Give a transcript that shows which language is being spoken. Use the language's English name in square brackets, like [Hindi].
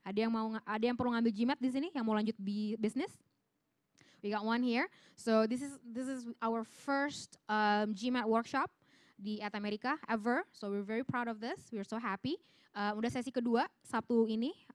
[Indonesian] Ada yang perlu ngambil GMAT di sini yang mau lanjut bisnis? [English] We got one here. So this is our first GMAT workshop di At America ever. So we're very proud of this. We're so happy. [Indonesian] Udah sesi kedua Sabtu ini.